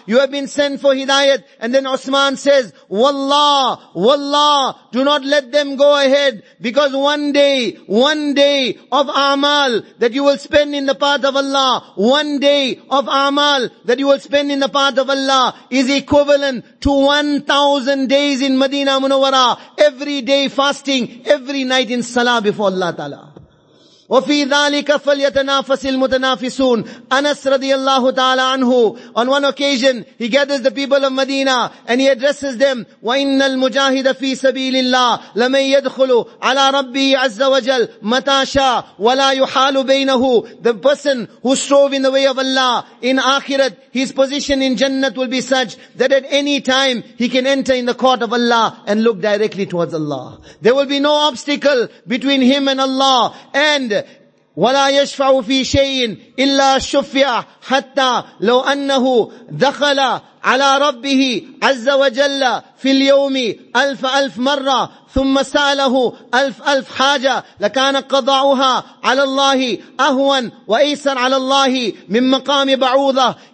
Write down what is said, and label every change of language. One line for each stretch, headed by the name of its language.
English: You have been sent for Hidayat. And then Osman says, Wallah, Wallah, do not let them go ahead, because one day of Amal that you will spend in the path of Allah, one day of Amal that you will spend in the path of Allah is equivalent to 1,000 days in Medina Munawara, every day fasting, every night in salah before Allah Ta'ala.
Arabic: وَفِي ذَلِكَ فَلْيَتَنَافَسِ الْمُتَنَافِسُونَ
English: Anas radiyallahu ta'ala anhu, on one occasion, he gathers the people of Medina and he addresses them,
Arabic: وَإِنَّ الْمُجَاهِدَ فِي سَبِيلِ اللَّهِ لَمَنْ يَدْخُلُ عَلَىٰ رَبِّهِ عَزَّ وَجَلْ مَتَاشَىٰ وَلَا يُحَالُ بَيْنَهُ.
English: The person who strove in the way of Allah in akhirat, his position in Jannat will be such that at any time he can enter in the court of Allah and look directly towards Allah. There will be no obstacle between him and Allah.
Arabic: And وَلَا يَشْفَعُ فِي شَيْءٍ إِلَّا شُفِّعَ حَتَّى لَوْ أَنَّهُ دَخَلَ عَلَى رَبِّهِ عَزَّ وَجَلَّ فِي الْيَوْمِ أَلْفَ أَلْفْ مَرَّةً ثُمَّ سَأَلَهُ أَلْفْ أَلْفْ حَاجَةً لَكَانَ قَضَعُهَا عَلَى اللَّهِ أَهْوَنْ وَأَيْسَرْ عَلَى اللَّهِ مِنْ مَقَامِ بَعُوضَةً.